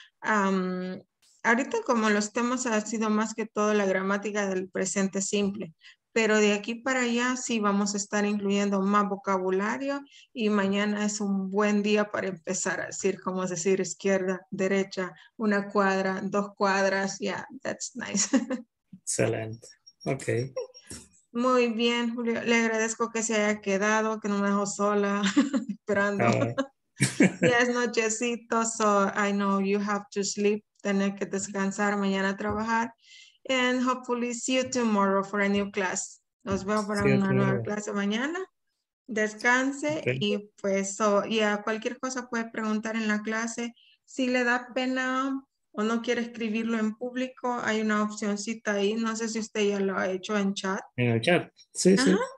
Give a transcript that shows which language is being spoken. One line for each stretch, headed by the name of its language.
Spanish: Ahorita como los temas ha sido más que todo la gramática del presente simple, pero de aquí para allá sí vamos a estar incluyendo más vocabulario y mañana es un buen día para empezar a decir, como es decir, izquierda, derecha, una cuadra, dos cuadras.
English: Yeah, that's nice.
Spanish: Excelente. Okay. Muy bien, Julio. Le agradezco que se haya quedado, que no me dejó sola esperando. Ya es nochecito,
English: so I know you have to sleep.
Spanish: Tener que descansar, mañana trabajar.
English: And hopefully see you tomorrow for a new class.
Spanish: Nos vemos para sí, una nueva clase mañana. Descanse. Okay. Y pues, so, yeah, cualquier cosa puede preguntar en la clase. Si le da pena o no quiere escribirlo en público, hay una opcioncita ahí. No sé si usted ya lo ha hecho en chat. En el chat, sí, ajá. Sí.